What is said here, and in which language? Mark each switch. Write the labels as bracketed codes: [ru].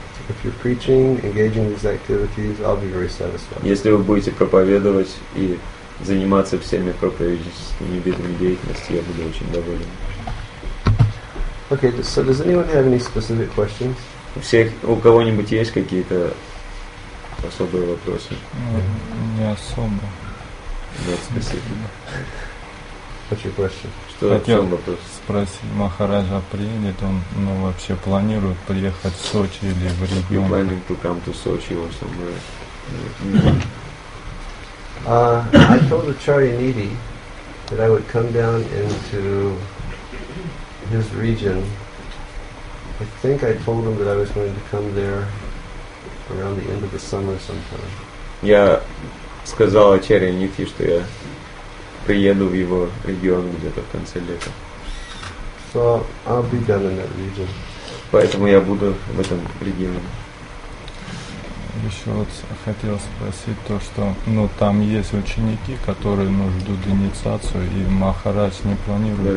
[en] If you're preaching, engaging these activities, I'll be very satisfied. [ru] Если вы будете проповедовать и заниматься всеми проповедническими видами деятельности, я буду очень доволен. [en] Okay, so does anyone have any specific questions? [ru] У кого-нибудь есть какие-то особые вопросы? Не особо. Вот, спасибо. Хотел спросить Махараджа, приедет он, ну вообще планирует приехать в Сочи или в регион? [en] You're planning to come to Sochi or somewhere? I told Acharya Nidhi that I would come down into his region. I think I told him that I was going to come there around the end of the summer sometime. [ru] Сказал Ачарья Нитхи, что я приеду в его регион где-то в конце лета. [en] So I'll be down in that region. [ru] Поэтому я буду в этом регионе. Еще вот хотел спросить то, что ну там есть ученики, которые ну, ждут инициацию, и Махарадж не планирует